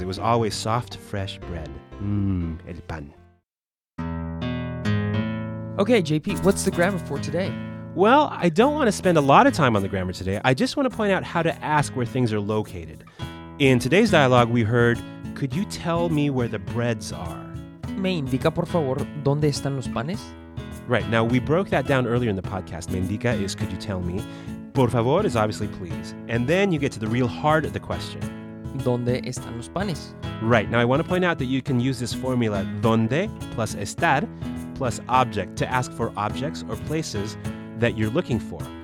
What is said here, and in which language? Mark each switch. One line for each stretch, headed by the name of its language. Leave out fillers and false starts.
English: It was always soft, fresh bread. Mmm, el pan. Okay, JP, what's the grammar for today? Well, I don't want to spend a lot of time on the grammar today. I just want to point out how to ask where things are located. In today's dialogue, we heard, could you tell me where the breads are?
Spanish: ¿Me indica, por favor, dónde están los panes?
English: Right. Now, we broke that down earlier in the podcast. Me indica is, could you tell me? Por favor is obviously please. And then you get to the real heart of the question.
Spanish: ¿Dónde están los panes?
English: Right. Now, I want to point out that you can use this formula, dónde plus estar plus object, to ask for objects or places that you're looking for.